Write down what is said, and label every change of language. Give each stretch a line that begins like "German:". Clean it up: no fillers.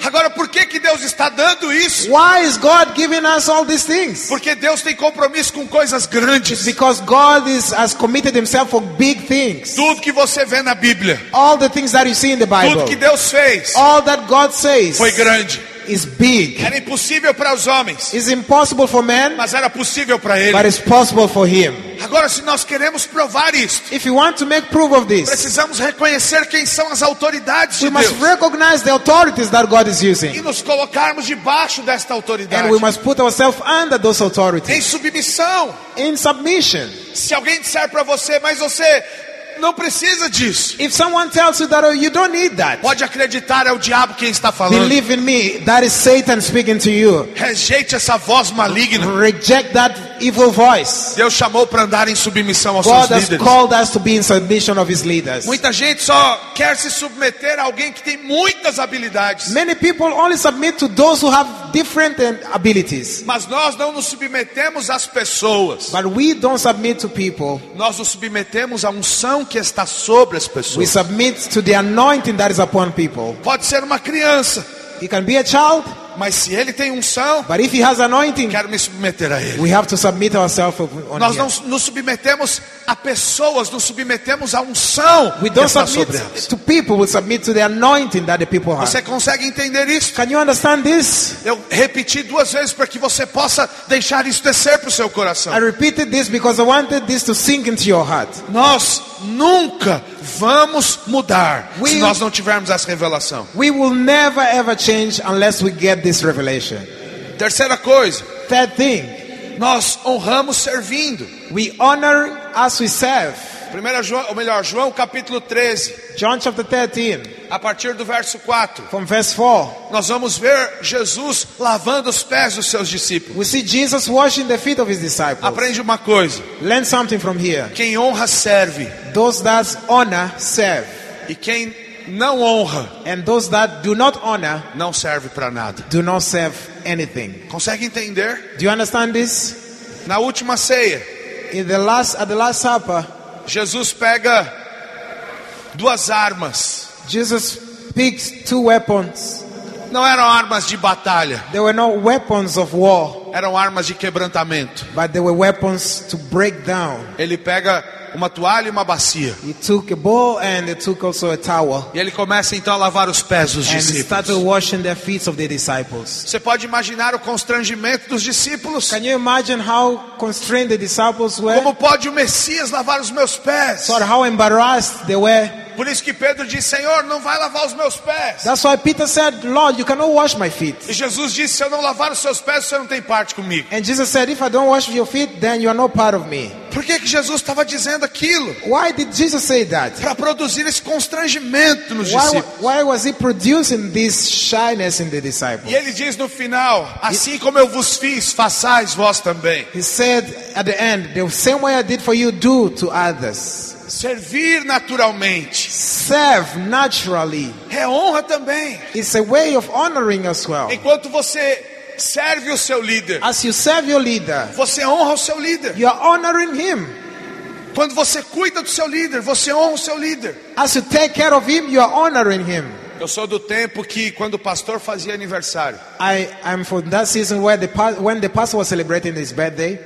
Portuguese: Agora, por que que Deus está dando isso?
English: Why is God giving us all these things?
Portuguese: Porque Deus tem compromisso com coisas grandes.
English: Because God has committed himself for big things.
Portuguese: Tudo que você vê na Bíblia.
English: All the things that you see in the Bible.
Portuguese: Tudo que Deus fez.
English: All that God says.
Portuguese: Foi grande.
English: Is big.
Portuguese: Era impossível para os homens.
English: Is impossible for men.
Portuguese: Mas era possível para ele.
English: But it's possible for him.
Portuguese: Agora, se nós queremos provar isto,
English: if you want to make proof of this,
Portuguese: precisamos reconhecer quem são as autoridades de Deus.
English: We must recognize the authorities that God is using.
Portuguese: E nos colocarmos debaixo desta autoridade.
English: And we must put ourselves under those authorities.
Portuguese: Em submissão.
English: In submission.
Portuguese: Se alguém disser para você, mas você não precisa disso.
English: If someone tells you that, oh, you don't need that.
Portuguese: Pode acreditar, é o diabo quem está falando.
English: Believe in me, that is Satan speaking to you.
Portuguese: Rejeite essa voz maligna.
English: Reject that evil voice.
Portuguese: Deus chamou para andar em submissão aos
English: God
Portuguese: seus líderes.
English: God has called us to be in submission of his leaders.
Portuguese: Muita gente só quer se submeter a alguém que tem muitas habilidades.
English: Many people only submit to those who have different abilities.
Portuguese: Mas nós não nos submetemos às pessoas.
English: But we don't submit to people.
Portuguese: Nós nos submetemos a unção que está sobre as pessoas.
English: We submit to the anointing that is upon people.
Portuguese: Pode ser uma criança.
English: It can be a child.
Portuguese: Mas se ele tem unção,
English: but if he has anointing,
Portuguese: quero me submeter a ele.
English: We have to submit ourselves on him.
Portuguese: Nós não nos submetemos a pessoas, nos submetemos a unção.
English: We don't submit to people, we submit to the anointing that the people have.
Portuguese: Você consegue entender isso?
English: Can you understand this?
Portuguese: Eu repeti duas vezes para que você possa deixar isso descer para o seu coração.
English: I repeated this because I wanted this to sink into your heart.
Portuguese: Nós nunca vamos mudar se nós não tivermos essa revelação.
English: We will never ever change unless we get this revelation.
Portuguese: Terceira coisa.
English: Third thing.
Portuguese: Nós honramos servindo.
English: We honor as we serve.
Portuguese: Primeira João, ou melhor, João capítulo 13.
English: John chapter 13.
Portuguese: A partir do verso 4.
English: From verse 4.
Portuguese: Nós vamos ver Jesus lavando os pés dos seus discípulos.
English: We see Jesus washing the feet of his disciples.
Portuguese: Aprende uma coisa.
English: Learn something from here.
Portuguese: Quem honra serve.
English: Those that honor serve.
Portuguese: E quem não honra,
English: and those that do not honor,
Portuguese: não serve para nada.
English: Do not serve anything.
Portuguese: Consegue entender?
English: Do you understand this?
Portuguese: Na última ceia,
English: at the last supper,
Portuguese: Jesus pega duas armas.
English: Jesus picks two weapons.
Portuguese: Não eram armas de batalha.
English: They were not weapons of war.
Portuguese: Eram armas de quebrantamento.
English: But they were weapons to break down.
Portuguese: Ele pega uma toalha e uma bacia.
English: He took a bowl and he took also a towel.
Portuguese: E ele começa então a lavar os pés dos discípulos.
English: And he started washing the feet of the disciples.
Portuguese: Você pode imaginar o constrangimento dos discípulos?
English: Can you imagine how constrained the disciples were?
Portuguese: Como pode o Messias lavar os meus pés?
English: So how embarrassed they were.
Portuguese: Por isso que Pedro disse, Senhor, não vai lavar os meus pés.
English: That's why Peter said, Lord, you cannot wash my feet.
Portuguese: E Jesus disse, se eu não lavar os seus pés, você não tem parte comigo.
English: And Jesus said, if I don't wash your feet, then you are not part of me.
Portuguese: Por que que Jesus estava dizendo aquilo?
English: Why did Jesus say that?
Portuguese: Para produzir esse constrangimento nos discípulos.
English: Why was he producing this shyness in the disciples?
Portuguese: E ele diz no final, assim como eu vos fiz, façais vós também.
English: He said at the end, the same way I did for you, do to others.
Portuguese: Servir naturalmente.
English: Serve naturally.
Portuguese: É honra também.
English: It's a way of honoring as well.
Portuguese: Enquanto você serve o seu líder.
English: As you serve your leader.
Portuguese: Você honra o seu líder.
English: You are honoring him.
Portuguese: Quando você cuida do seu líder, você honra o seu líder.
English: As you take care of him, you are honoring him.
Portuguese: Eu sou do tempo que quando o pastor fazia aniversário.
English: I'm from that season where when the pastor was celebrating his birthday.